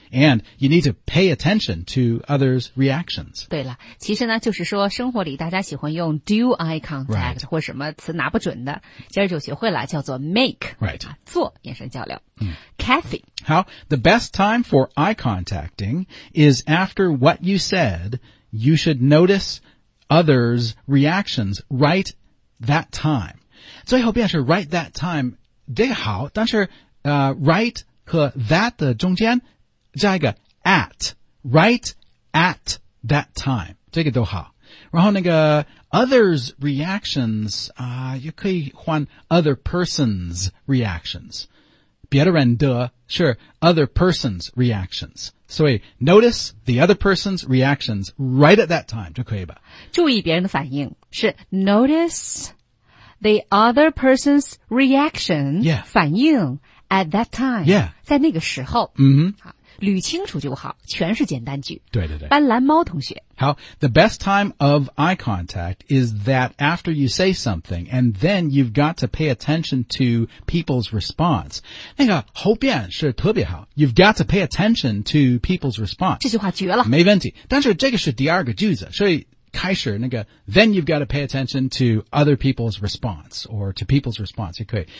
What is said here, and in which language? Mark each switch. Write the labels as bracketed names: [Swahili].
[English] And you need to pay attention to others' reactions. [Chinese] 对了，其实呢，就是说生活里大家喜欢用 [English] do eye contact、 right. [Chinese] 或什么词拿不准的，今儿就学会了，叫做 make、 [English] right. [Chinese] 啊、做眼神交流、mm. Kathy, [English] How the best time for eye contacting is after what you said, you should notice others' reactions right that time. [Chinese] 最后便是 [English] right that time [Chinese] 得好，但是right 和 that 的中间加一个 at, [English] right at that time, [Chinese] 这个都好。然后那个 [English] others' reactions, [Chinese] 也可以换 [English] other persons' reactions。 [Chinese] 别的人的 [English] sure, other persons' reactions. [Chinese] 所以 [English] notice the other person's reactions right at that time, [Chinese] 就可以吧。注意别人的反应是 [English] notice the other person's reaction, yeah, [Chinese] 反应 [English] at that time, yeah, [Chinese] 在那个时候。 [English] Mm-hmm. [Chinese] 捋清楚就好，全是简单句。对对对。斑斓猫同学。 [English] 好 ,the best time of eye contact is that after you say something, and then you've got to pay attention to people's response. [Chinese] 那个后边是特别好 [English] ,you've got to pay attention to people's response. [Chinese] 这句话绝了。没问题。但是这个是第二个句子，所以开始那个 [English] ,then you've got to pay attention to other people's response, or to people's response, [Chinese] 也可以。